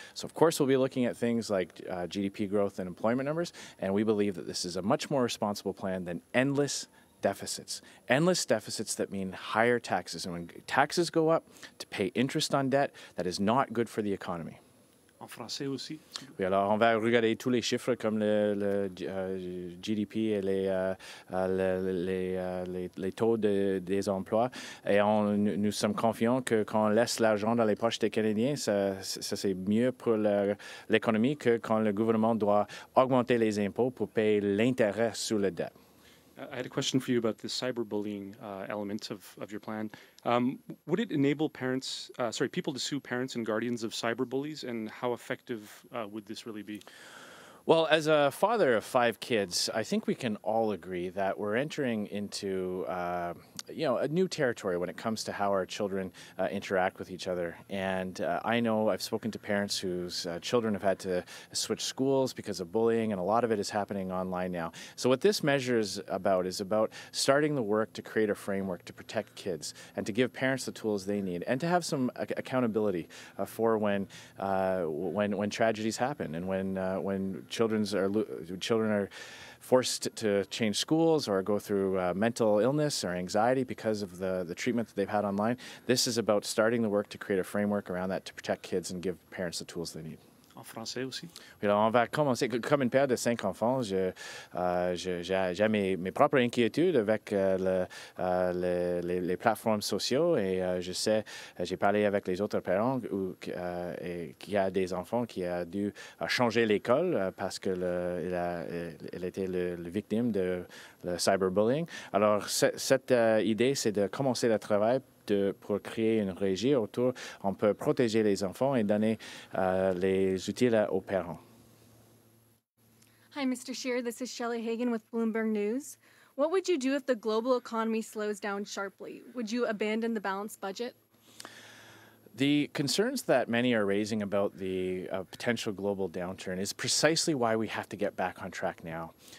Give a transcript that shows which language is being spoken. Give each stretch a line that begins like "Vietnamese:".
English: So, of course, we'll be looking at things like GDP growth and employment numbers, and we believe that this is a much more responsible plan than endless deficits. Endless deficits that mean higher taxes. And when taxes go up to pay interest on debt, that is not good for the economy.
French: En français aussi. Oui, alors on va regarder tous les chiffres comme le GDP et les taux des emplois. Et nous sommes confiants que quand on laisse l'argent dans les poches des Canadiens, ça c'est mieux pour l'économie que quand le gouvernement doit augmenter les impôts pour payer l'intérêt sur la dette.
English: I had a question for you about the cyberbullying element of your plan. Would it enable people to sue parents and guardians of cyberbullies, and how effective would this really be? Well, as a father of five kids, I think we can all agree that we're entering into a new territory when it comes to how our children interact with each other. And I know I've spoken to parents whose children have had to switch schools because of bullying, and a lot of it is happening online now. So what this measure is about starting the work to create a framework to protect kids and to give parents the tools they need and to have some accountability for when tragedies happen and when children are forced to change schools or go through mental illness or anxiety because of the treatment that they've had online. This is about starting the work to create a framework around that to protect kids and give parents the tools they need.
French: en français aussi. Alors, on va commencer. Comme une père de cinq enfants, j'ai mes propres inquiétudes avec les plateformes sociaux. Et je sais, j'ai parlé avec les autres parents qui a des enfants qui a dû changer l'école parce qu'elle était la victime de le cyberbullying. Alors, cette idée, c'est de commencer le travail pour créer une régie autour, on peut protéger les enfants et donner les outils aux parents.
English: Hi, Mr. Scheer. This is Shelley Hagen with Bloomberg News. What would you do if the global economy slows down sharply? Would you abandon the balanced budget? The concerns that many are raising about the potential global downturn is precisely why we have to get back on track now.